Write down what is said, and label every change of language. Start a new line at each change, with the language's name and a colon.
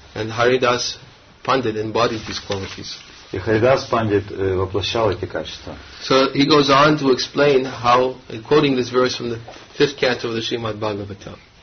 English: And Haridas Pandit embodied these qualities.
Russian: И Харидас Пандит воплощал эти качества.
English: So he goes on to explain how, quoting this verse from the fifth canto of the Srimad Bhagavatam.